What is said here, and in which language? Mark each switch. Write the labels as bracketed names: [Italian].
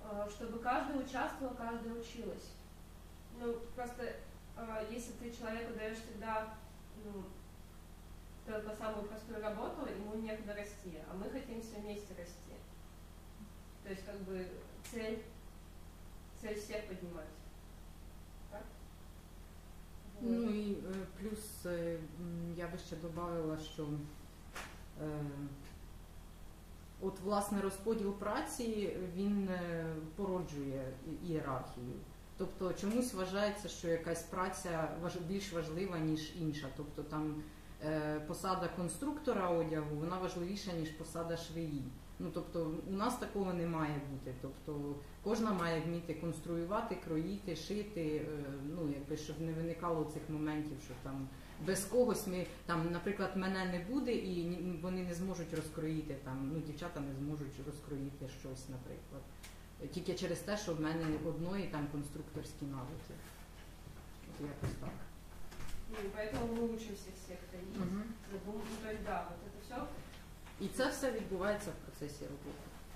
[Russian] Чтобы каждый участвовал, каждый училась. Ну, просто если ты человеку даешь всегда, ну, только самую простую работу, ему некуда расти, а мы хотим все вместе расти. То есть как бы цель всех поднимать. Вот. [Ukrainian] Ну і плюс я би ще додавила, що от власне розподіл праці, він породжує ієрархію. Тобто чомусь вважається, що якась праця більш важлива, ніж інша. Тобто там посада конструктора одягу, вона важливіша, ніж посада швеї. Ну, тобто у нас такого не має бути. Тобто кожна має вміти конструювати, кроїти, шити, ну, якби, щоб не виникало цих моментів, що там без когось ми, там, наприклад, мене не буде, і вони не зможуть розкроїти, там, ну, дівчата не зможуть розкроїти щось, наприклад. Тільки через те, що в мене одної там конструкторські навики. От якось так. [Russian] Ну, поэтому мы учимся всех таить, забудем, то есть да, вот это все. И это все [Ukrainian] відбувається [Russian] в процессе работы.